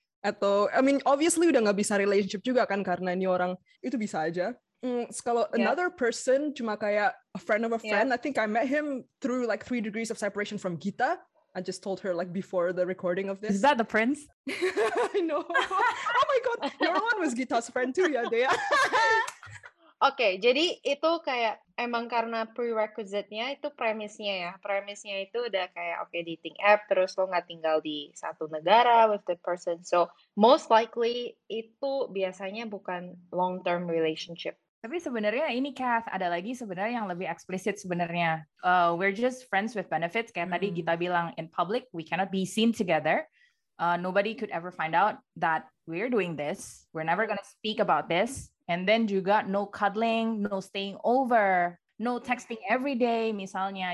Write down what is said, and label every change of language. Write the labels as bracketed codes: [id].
[id] Atau, [en] I mean, obviously [id] udah gak bisa relationship juga kan, karena ini orang, itu bisa aja. [en] Kalau another person, [id] cuma kayak [en] a friend of a friend, I think I met him through like 3 degrees of separation from Gita. I just told her like before the recording of this. Is that the prince? I know. Oh my god, your one was Gita's friend too, ya, Dea. [id] Okay, jadi itu kayak emang karena prerequisite-nya itu premisnya ya. Premisnya itu udah kayak okay, dating app, terus lo gak tinggal di satu negara [en] with the person. So, most likely [id] itu biasanya bukan long-term relationship. Tapi sebenarnya ini Kath, ada lagi sebenarnya yang lebih explicit sebenarnya. [en] We're just friends with benefits. [id] Kayak tadi Gita bilang, [en] in public, we cannot be seen together. Nobody could ever find out that we're doing this. We're never going to speak about this. And then juga no cuddling, no staying over, no texting every day misalnya.